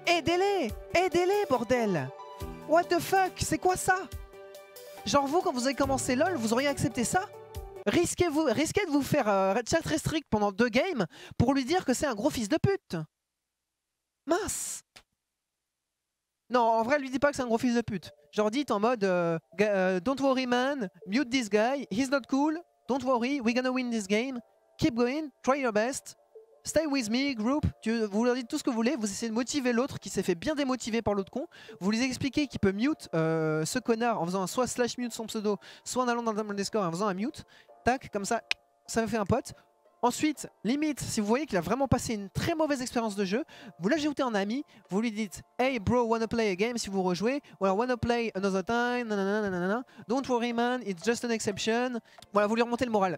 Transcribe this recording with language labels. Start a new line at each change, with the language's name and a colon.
French: Aidez-les, bordel.
English: What the fuck?
French: C'est quoi ça? Genre vous, quand vous avez commencé LOL, vous auriez accepté ça? Risquez de vous faire chat restrict pendant 2 games pour lui dire que c'est un gros fils de pute? Mince! Non, en vrai, lui dis pas que c'est un gros fils de pute. Genre dites en mode
English: don't worry man, mute this guy, he's not cool, don't worry, we're gonna win this game, keep going, try your best, stay with me, group.
French: Vous leur dites tout ce que vous voulez, vous essayez de motiver l'autre qui s'est fait bien démotiver par l'autre con. Vous lui expliquez qu'il peut mute ce connard en faisant soit slash mute son pseudo, soit en allant dans le Discord en faisant un mute. Tac, comme ça, ça me fait un pote. Ensuite, limite, si vous voyez qu'il a vraiment passé une très mauvaise expérience de jeu, vous l'ajoutez en ami, vous lui dites «
English: Hey bro, wanna play a game
French: si vous rejouez ?»«
English: Well, wanna play another time ?»« Don't worry man, it's just an exception.
French: » Voilà, vous lui remontez le moral.